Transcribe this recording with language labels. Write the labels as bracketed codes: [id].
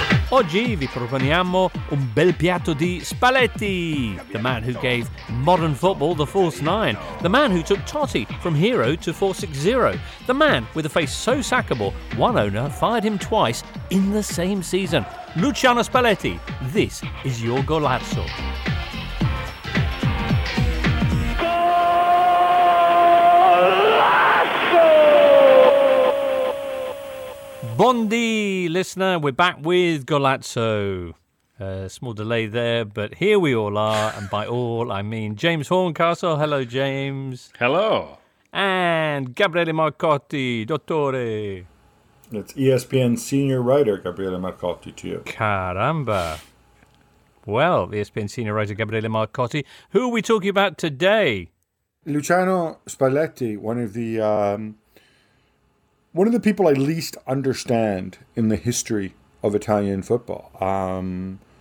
[it] Oggi vi proponiamo un bel piatto di spalletti. [en] The man who gave modern football the false nine. The man who took Totti from hero to 460. The man with a face so sackable, one owner fired him twice in the same season. Luciano Spalletti, this is your Golazzo. Bondi, listener, we're back with Golazzo. Small delay there, but here we all are. And by all, I mean James Horncastle. Hello, James. Hello. And Gabriele Marcotti, dottore. It's ESPN senior writer Gabriele Marcotti to you. Caramba. Well, ESPN senior writer Gabriele Marcotti. Who are we talking about today? Luciano Spalletti, one of the people I least understand in the history of Italian football.